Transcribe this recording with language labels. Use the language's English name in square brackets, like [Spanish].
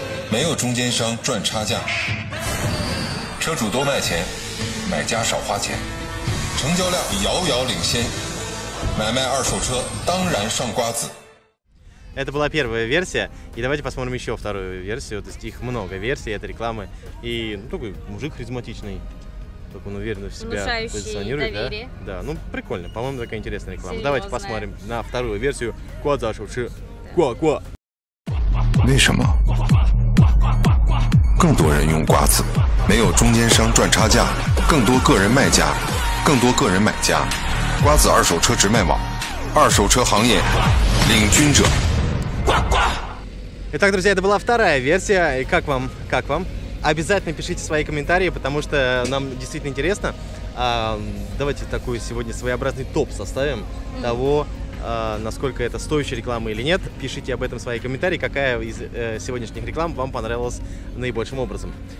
[Chinese] 没有中间商赚差价 车主多卖钱 买家少花钱 成交量遥遥领先 买卖二手车当然上瓜子 [Russian] Это была первая версия, и давайте посмотрим еще вторую версию. То есть их много версий этой рекламы. И ну, такой мужик харизматичный, как он уверенно в себя позиционирует. Внушающий доверие. Да, ну прикольно, по-моему, такая интересная реклама. Серьезно? Давайте посмотрим на вторую версию. Куадзашуши. Куа-куа. Почему? [Chinese] 更多人用瓜子，没有中间商赚差价，更多个人卖家，更多个人买家。瓜子二手车直卖网，二手车行业领军者。 [Russian] Итак, друзья, это была вторая версия. И как вам? Как вам? Обязательно пишите свои комментарии, потому что нам действительно интересно. Давайте такой сегодня своеобразный топ составим того, насколько это стоящая реклама или нет. Пишите об этом свои комментарии, какая из сегодняшних реклам вам понравилась наибольшим образом.